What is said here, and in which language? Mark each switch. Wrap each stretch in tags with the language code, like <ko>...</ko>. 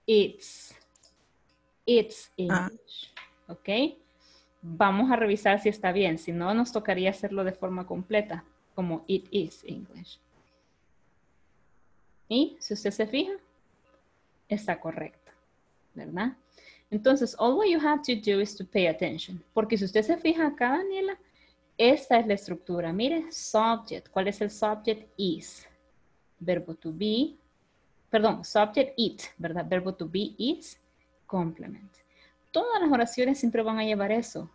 <en>It's. It's English. Ah. Ok.</en> <es>Vamos a revisar si está bien. Si no, nos tocaría hacerlo de forma completa, como</es> <en>it is English.</en> <es>Y si usted se fija, está correcto, ¿verdad?</es> <en>Entonces, all what you have to do is to pay attention.</en> <es>Porque si usted se fija acá, Daniela, esta es la estructura. Mire, subject. ¿Cuál es el subject? Is. Verbo to be. Perdón, subject it, ¿verdad? Verbo to be is. Complement. Todas las oraciones siempre van a llevar eso.</es>